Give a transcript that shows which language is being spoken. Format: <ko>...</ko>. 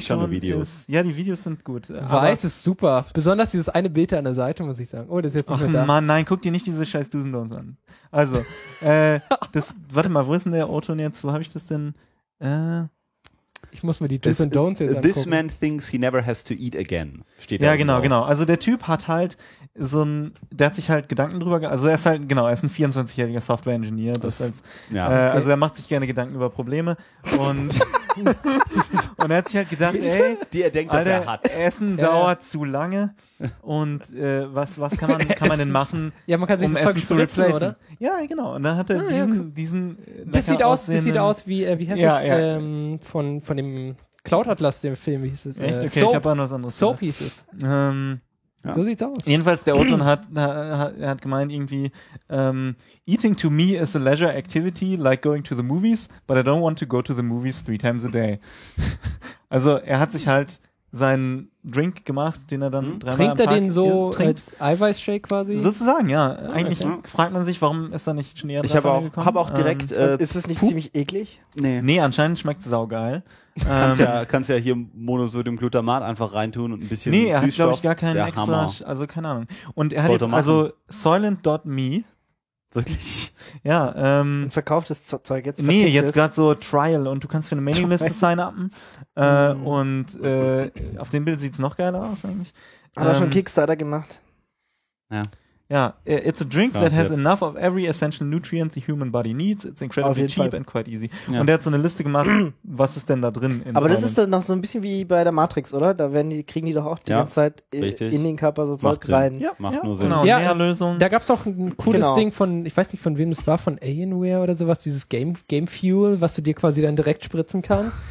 <de>schon nur Videos. Ist, ja, die Videos sind gut. Weiß ist super. Besonders dieses eine Bild an der Seite, muss ich sagen. Oh, das ist jetzt nicht mehr da. Mann, nein, guck dir nicht diese scheiß Dusendons an. Also, das, warte mal, wo ist denn der O-Ton jetzt? Wo habe ich das denn? Ich muss mir die Do's and Don'ts jetzt angucken.</de> <en>This man thinks he never has to eat again,</en> <de>steht da. Ja, genau, genau. Also der Typ hat halt so ein, der hat sich halt Gedanken drüber, also er ist halt, genau, er ist ein 24-jähriger Software-Engineer. Das als, ja, okay. Also er macht sich gerne Gedanken über Probleme und und er hat sich halt gedacht, ey, die er denkt, Alter, dass er hat. Essen dauert zu lange und was kann man denn machen? Ja, man kann sich um das Zeug Essen spritzen, zu oder? Ja, genau. Und dann hat er diesen Das sieht aus wie wie heißt es? Von dem Cloud Atlas, dem Film, wie hieß es? Echt? Okay, Soap. Ich habe was anderes. Soap hieß es. Ja. So sieht's aus. Jedenfalls, der O-Ton hat gemeint irgendwie,</de> <en>eating to me is a leisure activity like going to the movies, but I don't want to go to the movies 3 times a day.</en> <de>Also, er hat sich halt seinen Drink gemacht, den er dann dreimal trinkt trinkt. Er den so als Eiweißshake quasi? Sozusagen, ja. Eigentlich fragt man sich, warum ist da nicht schon eher dran gekommen. Ich habe auch direkt... ist es nicht ziemlich eklig? Nee, anscheinend schmeckt es saugeil. kannst ja hier Monosodium-Glutamat einfach reintun und ein bisschen Süßstoff. Nee, er hat, glaube ich, gar keinen extra... Hammer. Also, keine Ahnung. Und er hat jetzt also Soylent.me. Wirklich? Ja. Und verkauft das Zeug jetzt? Nee, jetzt gerade so Trial und du kannst für eine Mailingliste sign-upen. Und auf dem Bild sieht es noch geiler aus eigentlich. Hat er schon Kickstarter gemacht? Ja.</de> <en>Ja, it's a drink that has enough of every essential nutrient the human body needs. It's incredibly cheap and quite easy.</en> <de>Ja. Und der hat so eine Liste gemacht, was ist denn da drin? Das ist dann noch so ein bisschen wie bei der Matrix, oder? Da kriegen die doch auch die ganze Zeit in den Körper so Zeug rein. Ja, macht nur Sinn. Genau, Nährlösung. Da gab's auch ein cooles Ding von, ich weiß nicht von wem es war, von Alienware oder sowas, dieses Game Fuel, was du dir quasi dann direkt spritzen kannst.</de>